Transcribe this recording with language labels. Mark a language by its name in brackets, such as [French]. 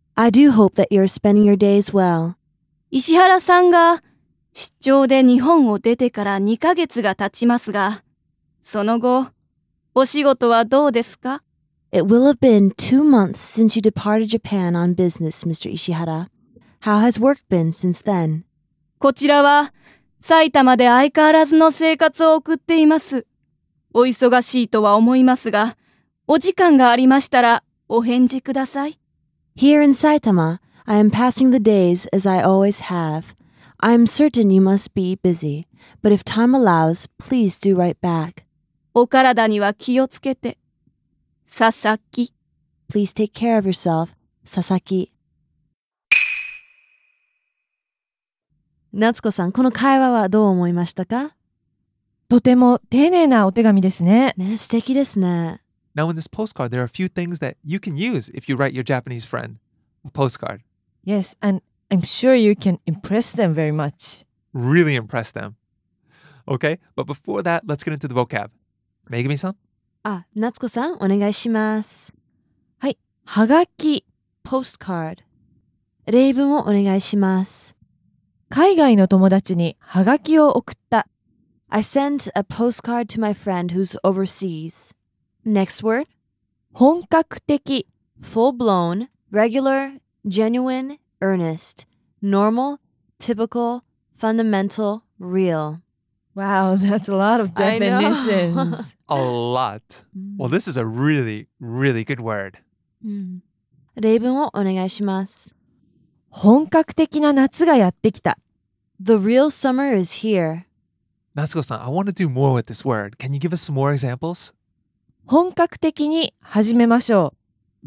[English] I do hope that you're spending your days well. [Japanese] 石原さんが出張で日本を出てから2ヶ月が経ちますが、その後、お仕事はどうですか? [English] It will have been 2 months since you departed Japan on business, Mr. 石原.How has work been since then? [Japanese] こちらは埼玉で相変わらずの生活を送っています。お忙しいとは思いますが、お時間がありましたらお返事ください。 [English] Here in Saitama, I am passing the days as I always have. I am certain you must be busy, but if time allows, please do write back. [Japanese] お体には気をつけて、佐々木。 [English] Please take care of yourself, 佐々木。 [Japanese] 夏子さん、この会話はどう思いましたか？とても丁寧なお手紙ですね。ね、素敵ですね。 [English] Now in this postcard, there are a few things that you can use if you write your Japanese friend a postcard. Yes, and I'm sure you can impress them very much. Really impress them. Okay, but before that, let's get into the vocab. Megumi-san? [Japanese] Ah, Natsuko-san, お願いします。はい、はがき、postcard. 例文をお願いします。海外の友達にハガキを送った。 [English] I sent a postcard to my friend who's overseas. Next word. [Japanese] 本格的。 [English] Full-blown, regular, genuine, earnest, normal, typical, fundamental, real. Wow, that's a lot of definitions. a lot. Well, this is a really, really good word. [Japanese] 例文をお願いします。本格的な夏がやってきた。 [English] The real summer is here. Natsuko-san, I want to do more with this word. Can you give us some more examples? [Japanese] 本格的に始めましょう。